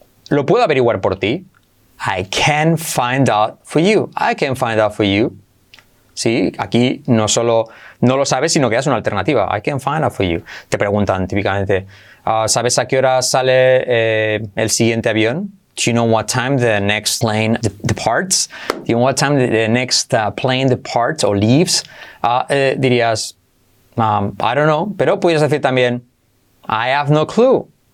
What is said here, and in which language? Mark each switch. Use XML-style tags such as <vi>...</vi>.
<es>Lo puedo averiguar por ti.</es> <en>I can find out for you. I can find out for you.</en> <es>Sí, aquí no solo no lo sabes, sino que das una alternativa.</es> <en>I can find out for you.</en> <es>Te preguntan típicamente, ¿sabes a qué hora sale el siguiente avión?</es> <en>Do you know what time the next plane departs? Do you know what time the next plane departs or leaves?</en> <es>Dirías,</es> <en>I don't know.</en> <es>Pero puedes decir también,</es> <en>I have no clue.</en>